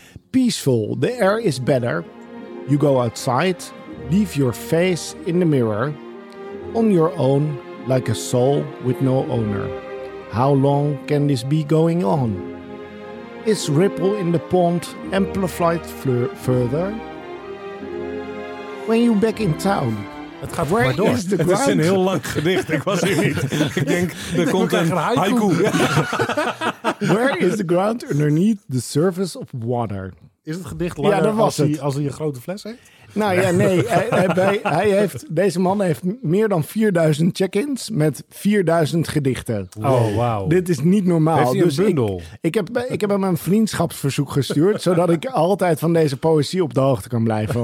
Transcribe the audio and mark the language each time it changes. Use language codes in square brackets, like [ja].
[en] Peaceful, the air is better. You go outside, leave your face in the mirror. On your own, like a soul with no owner. How long can this be going on? Is ripple in the pond amplified further? When you back in town. [nl] Het gaat maar door. Het ground? Is een heel lang gedicht. Ik was hier niet. Ik denk, er komt een haiku. [en] Where is the ground underneath the surface of water? [nl] Is het gedicht langer als hij een grote fles heeft? Nou ja, nee. Hij heeft, deze man heeft meer dan 4000 check-ins met 4000 gedichten. Oh, wauw. Dit is niet normaal. Heeft hij een bundel? Ik heb hem een vriendschapsverzoek gestuurd, zodat ik altijd van deze poëzie op de hoogte kan blijven.